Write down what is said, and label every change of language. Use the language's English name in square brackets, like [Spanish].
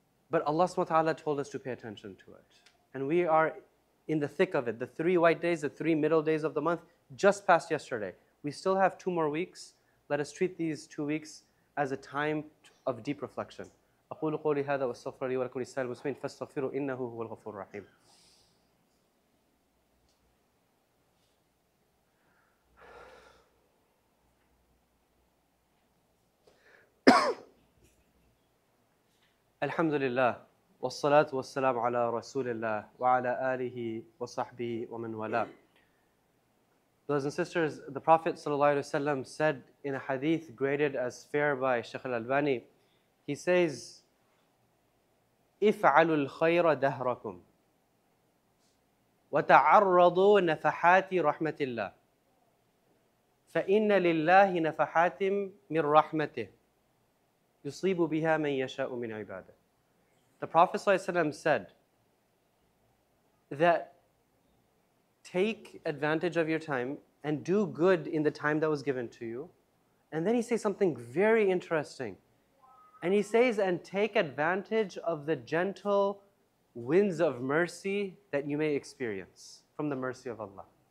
[English] But Allah subhanahu wa ta'ala told us to pay attention to it. And we are in the thick of it. The three white days, the three middle days of the month, just passed yesterday. We still have two more weeks. Let us treat these 2 weeks as a time of deep reflection. [Arabic] أقول قولي هذا واستغفر لي ولكم لسائر المسلمين فاستغفروا إنه هو الغفور الرحيم. الحمد لله والصلاة والسلام على رسول الله وعلى آله وصحبه ومن والاه. [English] Brothers and sisters, the Prophet [Arabic] صلى الله عليه وسلم [English] said in a hadith graded as fair by Sheikh Al-Albani, he says, [Arabic] افعلوا الخير دهركم وتعرضوا نفحات رحمة الله فإن لله نفحات من رحمته يصيب بها من يشاء من عباده. [English] The Prophet ﷺ said that take advantage of your time and do good in the time that was given to you. And then he says something very interesting. And he says, and take advantage of the gentle winds of mercy that you may experience from the mercy of Allah.